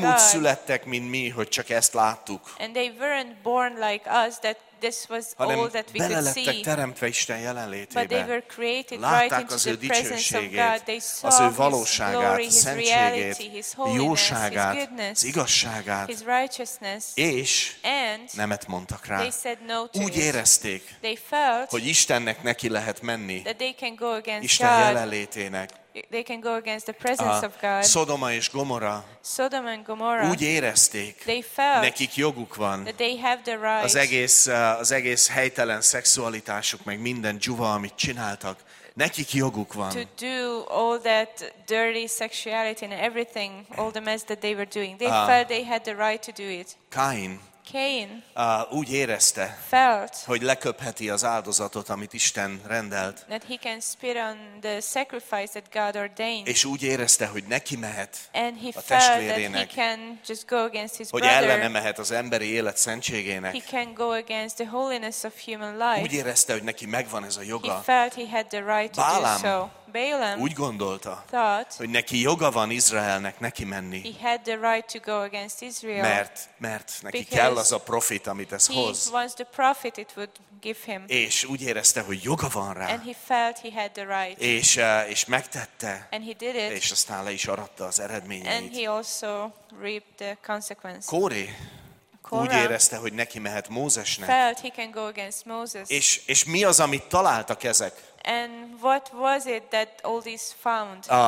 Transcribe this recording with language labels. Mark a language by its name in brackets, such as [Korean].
[Hungarian] Nem úgy születtek, mint mi, hogy csak ezt láttuk. [English] And they weren't born like us that this was all that we could see. [Hungarian] Hanem belelettek teremtve Isten jelenlétébe. [English] But they were created right into the presence of God. They saw [Hungarian] az ő valóságát, a szentségét, jóságát, [English] his [Hungarian] igazságát, [English] his righteousness, [Hungarian] és nemet mondtak rá. [English] They said no to [Hungarian] úgy érezték, [English] they felt, [Hungarian] hogy Istennek neki lehet menni, [English] that they can go against [Hungarian] Isten [English] God. [Hungarian] Jelenlétének. [English] They can go against the presence of God. [Hungarian] Sodoma és Gomorra. [English] Sodom and Gomorrah. [Hungarian] Úgy érezték. [English] They felt. [Hungarian] Nekik joguk van. [English] That they have the right. [Hungarian] Az egész helytelen szexualitásuk, meg minden dzsuva, amit csináltak. Nekik joguk van. [English] To do all that dirty sexuality and everything, all the mess that they were doing. They felt they had the right to do it. Cain. [Hungarian] Úgy érezte. [English] Felt. [Hungarian] Hogy leköpheti az áldozatot, amit Isten rendelt. [English] That he can spit on the sacrifice that God ordained. [Hungarian] És úgy érezte, hogy neki mehet. [English] And he [Hungarian] a testvérének. [English] That he can just go against his [Hungarian] hogy [English] brother. [Hungarian] Hogy ellene mehet az emberi élet szentségének. [English] He can go against the holiness of human life. [Hungarian] Úgy érezte, hogy neki megvan ez a joga. [English] He felt he had the right to [Hungarian] Bálám. [English] Do so. [Hungarian] Balaam úgy gondolta, [English] thought, [Hungarian] hogy neki joga van Izraelnek neki menni. [English] He had the right to go against Israel. [Hungarian] Mert neki kell az a profit, amit ez [English] he [Hungarian] hoz. [English] Wants the profit it would give him. [Hungarian] És úgy érezte, hogy joga van rá. [English] And he felt he had the right. [Hungarian] És megtette. [English] And he did it. [Hungarian] És aztán le is aratta az eredményeit. [English] And he also reaped the consequences. [Hungarian] Kóré. Úgy érezte, hogy neki mehet Mózesnek. [English] Felt he can go against Moses. [Hungarian] És mi az, amit találtak ezek? [English] And what was it that all these found?